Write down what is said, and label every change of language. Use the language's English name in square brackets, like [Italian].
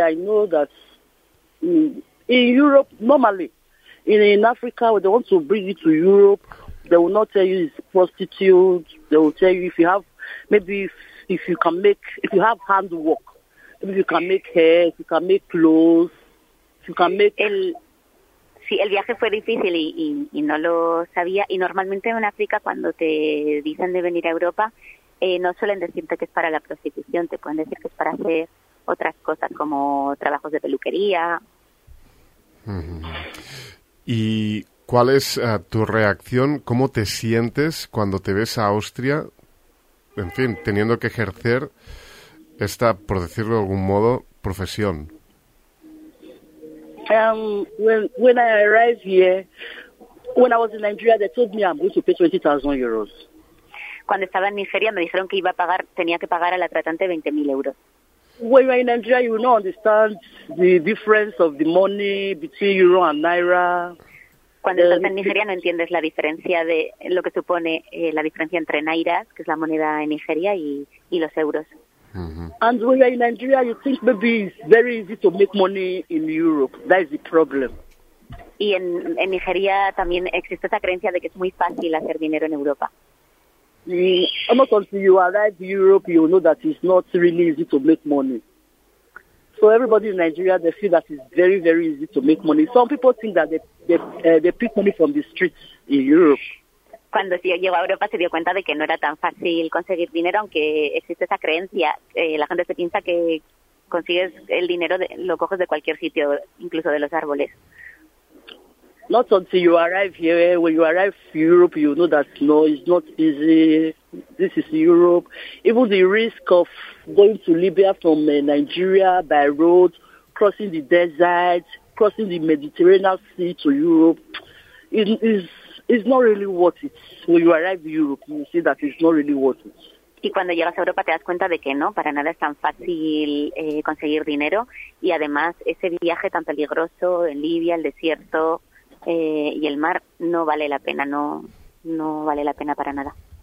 [English] I know that in Europe, normally, in Africa, they want to bring you to Europe. They will not tell you it's prostitute. They will tell you if you have, maybe if you can make, if you have handwork, if you can make hair, if you can make clothes, if you can make... [Spanish] El viaje fue difícil y no lo sabía. Y normalmente en África, cuando te dicen de venir a Europa, no suelen decirte que es para la prostitución, te pueden decir que es para hacer otras cosas como trabajos de peluquería. ¿Y cuál es tu reacción? ¿Cómo te sientes cuando te ves a Austria, en fin, teniendo que ejercer esta, por decirlo de algún modo, profesión? [English] When I arrived here, when I was in Nigeria, they told me I'm going to pay 20,000 euros. [Spanish] Cuando estaba en Nigeria, me dijeron que iba a pagar, tenía que pagar a la tratante 20,000 euros. [English] When you're in Nigeria, you don't understand the difference of the money between euro and naira. [Spanish] Cuando estás en Nigeria, no entiendes la diferencia de lo que supone la diferencia entre nairas, que es la moneda en Nigeria, y los euros. Mm-hmm. [English] And when you're in Nigeria, you think maybe it's very easy to make money in Europe. That is the problem. [Spanish] Y en Nigeria también existe esa creencia de que es muy fácil hacer dinero en Europa. [English] Almost until you arrive in Europe, you know that it's not really easy to make money. So everybody in Nigeria, they feel that it's very, very easy to make money. Some people think that they pick money from the streets in Europe. [Spanish] Cuando llegó a Europa se dio cuenta de que no era tan fácil conseguir dinero, aunque existe esa creencia. La gente se piensa que consigues el dinero, lo coges de cualquier sitio, incluso de los árboles. [English] Not until you arrive here. When you arrive in Europe, you know that no, it's not easy. This is Europe. Even the risk of going to Libya from Nigeria by road, crossing the desert, crossing the Mediterranean Sea to Europe, it's not really worth it. When you arrive in Europe, you see that it's not really worth it. [Spanish] Y cuando llegas a Europa te das cuenta de que no, para nada es tan fácil conseguir dinero. Y además ese viaje tan peligroso en Libia, el desierto y el mar, no vale la pena, no vale la pena para nada.